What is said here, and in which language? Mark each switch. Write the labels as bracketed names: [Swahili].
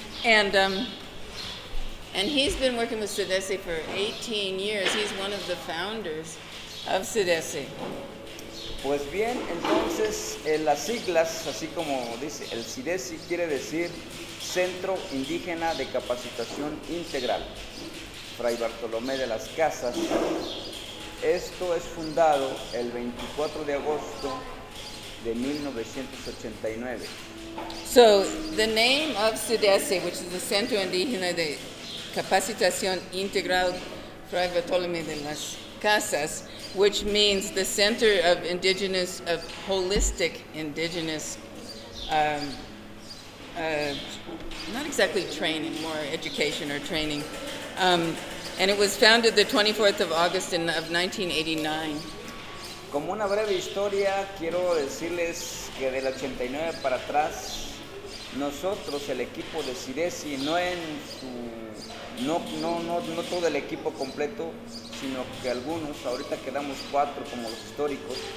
[English] And he's been working with SEDESE for 18 years. He's one of the founders of SEDESE. [Spanish] Pues bien, entonces, las siglas, así como dice, el SEDESE quiere decir Centro Indígena de Capacitación Integral, Fray Bartolomé de las Casas. Esto es fundado el 24 de agosto de 1989. [English] So, the name of SEDESE, which is the Centro Indígena de Capacitación Integral Fray Bartolomé de las Casas, which means the Center of Indigenous, of Holistic Indigenous, not exactly training, more education or training. And it was founded the 24th of August of 1989. [Spanish] Como una breve historia, quiero decirles que del 89 para atrás, nosotros, el equipo de SEDESE, no en su, no todo el equipo completo, sino que algunos, ahorita quedamos cuatro como los históricos,